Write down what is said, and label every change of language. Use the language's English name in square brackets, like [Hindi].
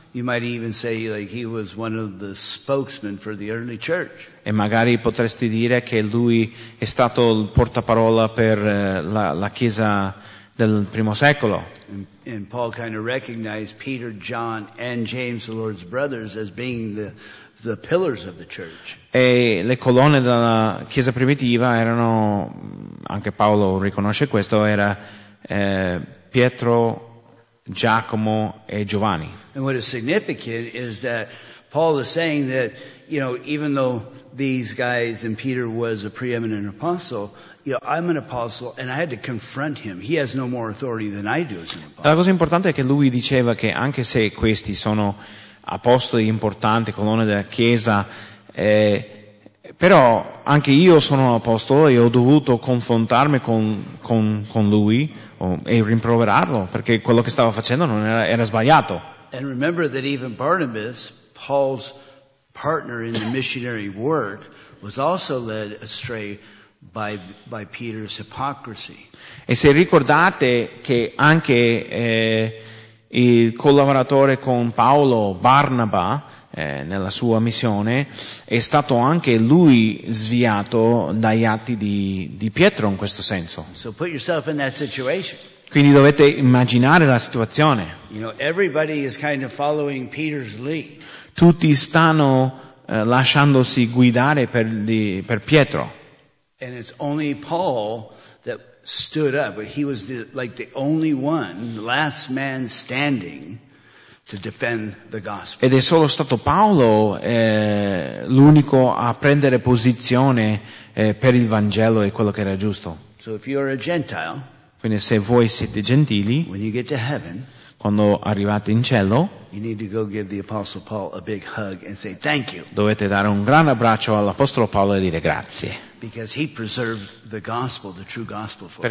[English] You might even say, like, he was one of the spokesmen for the early church. [Italian] E magari potresti dire che lui è stato il portaparola per la chiesa del primo secolo. [English] And Paul kind of recognized Peter, John, and James, the Lord's brothers, as being the pillars of the church. [Italian] E le colonne della chiesa primitiva erano, anche Paolo riconosce questo, era Pietro, Giacomo e Giovanni. [English] And what is significant is that Paul is saying that, you know, even though these guys and Peter was a preeminent apostle, you know, I'm an apostle and I had to confront him. He has no more authority than I do as an apostle. [Italian] La cosa importante è che lui diceva che anche se questi sono apostoli importanti, colonne della Chiesa, però anche io sono un apostolo e ho dovuto confrontarmi con lui e rimproverarlo perché quello che stava facendo non era sbagliato. [English] And remember that even Barnabas, Paul's partner in the missionary work, was also led astray by Peter's hypocrisy. [Italian] E se ricordate che anche il collaboratore con Paolo, Barnaba, nella sua missione, è stato anche lui sviato dagli atti di Pietro in questo senso. [English] So put yourself in that situation. [Italian] Quindi dovete immaginare la situazione. [English] You know, everybody is kind of following Peter's lead. [Italian] Tutti stanno lasciandosi guidare per Pietro. [English] And it's only Paul that stood up, but he was the only one, the last man standing to defend the gospel. [Italian] Ed è solo stato Paolo l'unico a prendere posizione per il Vangelo e quello che era giusto. [English] So if you are a Gentile, [Italian] quindi se voi siete gentili, [English] when you get to heaven, [Italian] quando arrivate in cielo, [English] you need to go give the Apostle Paul a big hug and say thank you. [Italian] Dovete dare un gran abbraccio all'Apostolo Paolo e dire grazie. [English] Because he preserved the gospel, the true gospel for us.